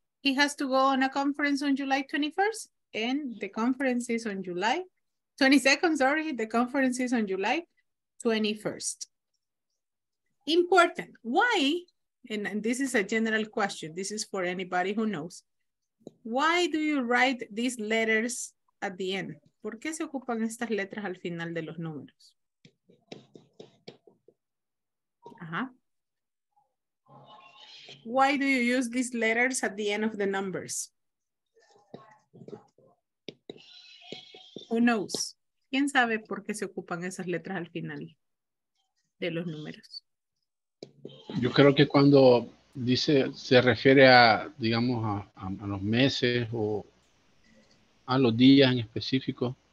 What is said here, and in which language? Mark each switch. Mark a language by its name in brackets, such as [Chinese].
[English] He has to go on a conference on July 21st, and the conference is on July 22nd, sorry, the conference is on July 21st. Important. Why, and this is a general question, this is for anybody who knows, why do you write these letters at the end? [Spanish] ¿Por qué se ocupan estas letras al final de los números? Ajá. [English] Why do you use these letters at the end of the numbers? Who knows? [Spanish] ¿Quién sabe por qué se ocupan esas letras al final de los números? Yo creo que cuando dice, se refiere a, digamos, a los meses o a los días en específico.